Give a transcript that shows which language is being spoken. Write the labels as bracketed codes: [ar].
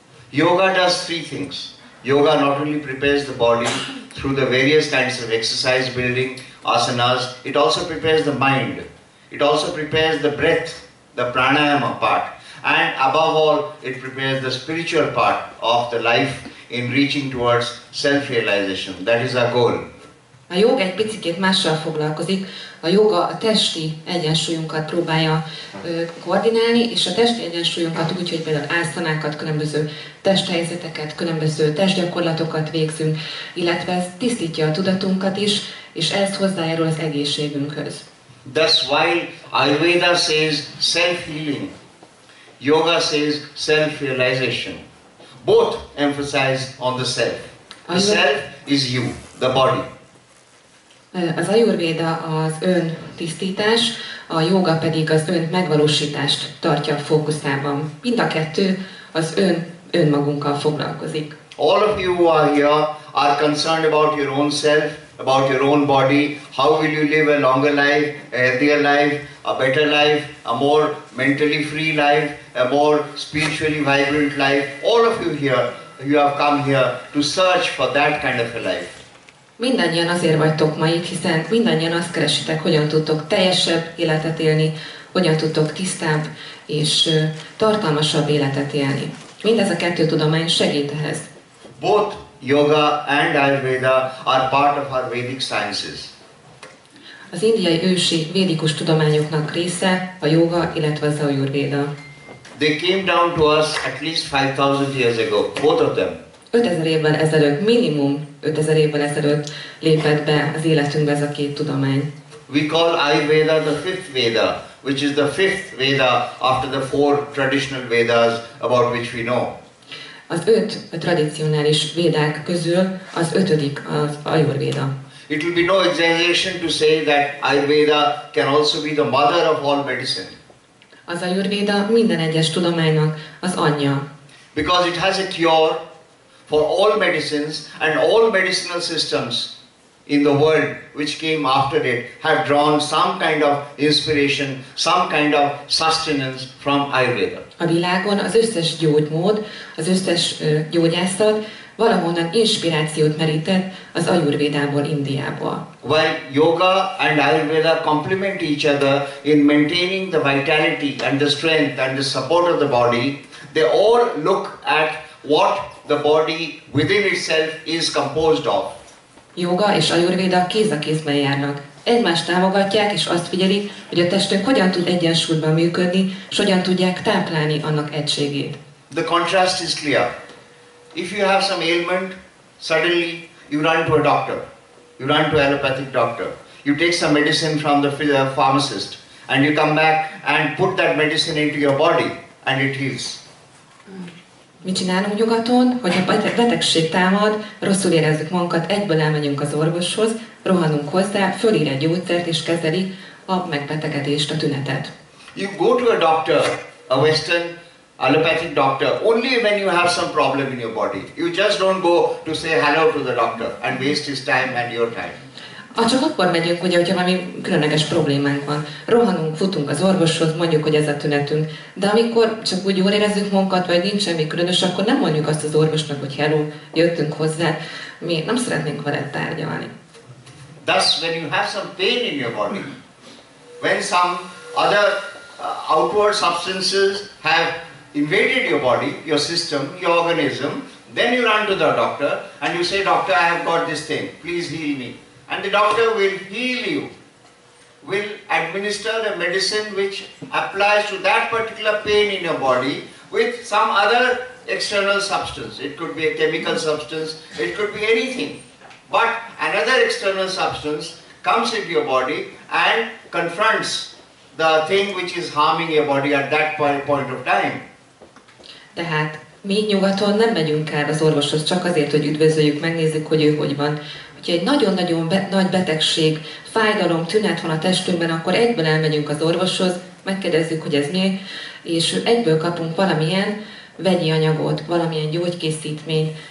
[en] Yoga does three things. Yoga not only prepares the body through the various kinds of exercise building, asanas, it also prepares the mind. It also prepares the breath, the pranayama part. And above all, it prepares the spiritual part of the life in reaching towards self-realization. That is our goal. [hu] A jóga egy picit mással foglalkozik. A jóga a testi egyensúlyunkat próbálja koordinálni, és a testi egyensúlyunkat úgy, hogy például ászanákat, különböző testhelyzeteket, különböző testgyakorlatokat végzünk, illetve ez tisztítja a tudatunkat is, és ez hozzájárul az egészségünkhöz. [en] That's why Ayurveda says self-healing. Yoga says self-realization. Both emphasize on the self. The self is you, the body. [hu] Az Ayurveda az ön tisztítás, a jóga pedig az ön megvalósítást tartja a fókuszában. Mind a kettő az ön önmagunkkal foglalkozik. [en] All of you who are here are concerned about your own self, about your own body. How will you live a longer life, a healthier life, a better life, a more mentally free life, a more spiritually vibrant life? All of you here, you have come here to search for that kind of a life. [hu] Mindannyian azért vagytok ma itt, hiszen mindannyian azt keresitek, hogyan tudtok teljesebb életet élni, hogyan tudtok tisztább és tartalmasabb életet élni. Mindez a kettő tudomány segít ehhez. [en] Both yoga and Ayurveda are part of our Vedic sciences. [hu] Az indiai ősi védikus tudományoknak része a yoga, illetve az Ayurveda. [en] They came down to us at least 5000 years ago, both of them. [hu] 5000 évvel ezelőtt, minimum 5000 évvel ezelőtt lépett be az életünkbe ez a két tudomány. [en] We call Ayurveda the fifth Veda, which is the fifth Veda after the four traditional Vedas about which we know. [hu] Az öt tradicionális védák közül az ötödik az Ayurveda. [en] It will be no exaggeration to say that Ayurveda can also be the mother of all medicine. [hu] Az Ayurveda minden egyes tudománynak az anyja. [en] Because it has a cure for all medicines and all medicinal systems in the world which came after it have drawn some kind of inspiration, some kind of sustenance from Ayurveda. [hu] A világon az összes gyógymód, az összes gyógyászat valahonnan inspirációt merített az Ayurvédából, Indiából. [en] While yoga and Ayurveda complement each other in maintaining the vitality and the strength and the support of the body, they all look at what the body within itself is composed of. [hu] Yoga és Ayurveda kéz a kézben járnak. Egymást támogatják és azt figyelik, hogy a testünk hogyan tud egyensúlyban működni, és hogyan tudják táplálni annak egységét. [en] The contrast is clear. If you have some ailment, suddenly you run to a doctor. You run to an allopathic doctor. You take some medicine from the pharmacist and you come back and put that medicine into your body and it heals. [hu] Mi csinálunk nyugaton, hogyha betegség támad, rosszul érezzük magunkat, egyből elmegyünk az orvoshoz, rohanunk hozzá, fölír egy gyógyszert és kezeli a megbetegedést, a tünetet. [en] You go to a doctor, a western allopathic doctor, only when you have some problem in your body. You just don't go to say hello to the doctor and waste his time and your time. [hu] Ah, csak akkor megyünk, ugye, hogyha valami különleges problémánk van. Rohanunk, futunk az orvoshoz, mondjuk, hogy ez a tünetünk. De amikor csak úgy jól érezzük magunkat, vagy nincs semmi különös, akkor nem mondjuk azt az orvosnak, hogy hello, jöttünk hozzá. Mi nem szeretnénk veled tárgyalni. [en] Thus, when you have some pain in your body, when some other outward substances have invaded your body, your system, your organism, then you run to the doctor and you say, doctor, I have got this thing, please heal me. And the doctor will heal you, will administer a medicine which applies to that particular pain in your body with some other external substance. It could be a chemical substance, it could be anything. But another external substance comes into your body and confronts the thing which is harming your body at that point of time. [hu] Tehát mi nyugaton nem megyünk el az orvoshoz csak azért, hogy üdvözöljük, megnézzük, hogy ő hogy van. Ha egy nagyon-nagyon nagy betegség, fájdalom, tünet van a testünkben, akkor egyből elmegyünk az orvoshoz, megkérdezzük, hogy ez mi, és egyből kapunk valamilyen vegyi anyagot, valamilyen gyógykészítményt.